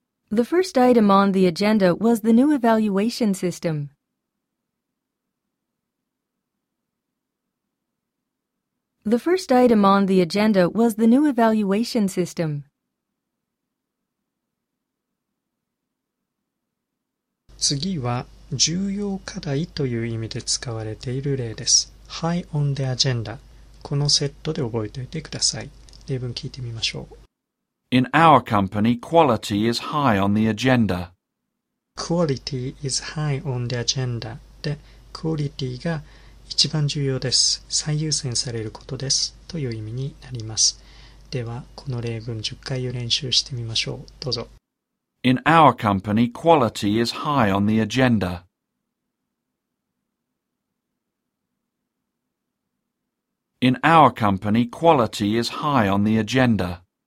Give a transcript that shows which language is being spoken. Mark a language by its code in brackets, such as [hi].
[en] The first item on the agenda was the new evaluation system. The first item on the agenda was the new evaluation system. [ja] 次は重要課題という意味で使われている例です。 [en] High on the agenda。 [ja] このセットで覚えておいてください。例文聞いてみましょう。 [en] In our company, quality is high on the agenda. Quality is high on the agenda. [ja] で、quality が一番重要です。最優先されることです。という意味になります。では、この例文10回を練習してみましょう。どうぞ。 [en] In our company, quality is high on the agenda. In our company, quality is high on the agenda.